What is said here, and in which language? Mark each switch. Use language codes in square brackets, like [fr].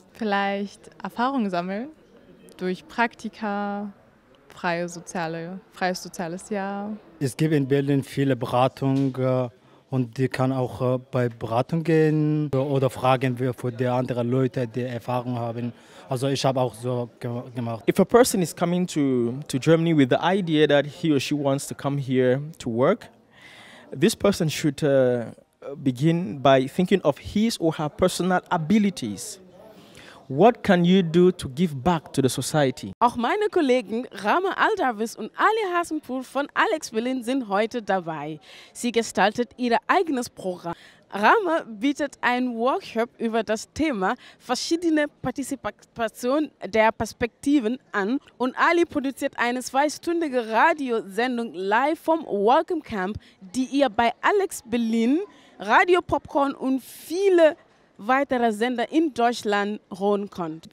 [de] Vielleicht Erfahrung sammeln durch Praktika, freies soziales Jahr. Es gibt in Berlin viele Beratungen. Und die kann auch bei Beratung gehen oder fragen wir für die anderen Leute, die Erfahrung haben. Also ich habe auch so gemacht. [en] If a person is coming to Germany with the idea that he or she wants to come here to work, this person should begin by thinking of his or her personal abilities. What can you do to give back to the society? [de] Auch meine Kollegen Rama Aldavis und Ali Hasenpool von Alex Willen sind heute dabei. Sie gestaltet ihr eigenes Programm. Rama bietet einen Workshop über das Thema verschiedene Partizipation der Perspektiven an und Ali produziert eine zweistündige Radiosendung live vom Welcome Camp, die ihr bei Alex Willen, Radio Popcorn und viele weiterer Sender in Deutschland hören könnt.